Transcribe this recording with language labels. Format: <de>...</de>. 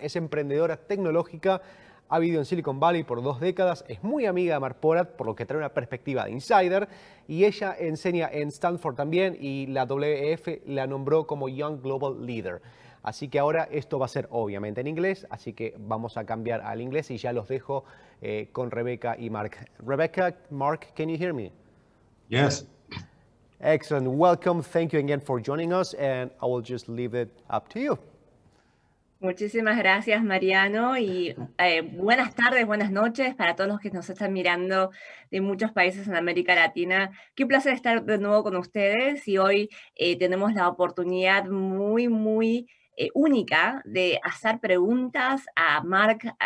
<es>Es emprendedora tecnológica, ha vivido en Silicon Valley por 2 décadas, es muy amiga de Marc Porat, por lo que trae una perspectiva de insider, y ella enseña en Stanford también y la WEF la nombró como Young Global Leader. Así que ahora esto va a ser obviamente en inglés, así que vamos a cambiar al inglés y ya los dejo con Rebeca y Marc.</es> <en>Rebeca, Marc, can you hear me? Yes. Excellent. Welcome. Thank you again for joining us and I will just leave it up to you.</en> <es>Muchísimas gracias, Mariano, y buenas tardes, buenas noches para todos los que nos están mirando de muchos países en América Latina. Qué placer estar de nuevo con ustedes, y hoy tenemos la oportunidad muy, muy única de hacer preguntas a Marc.</es>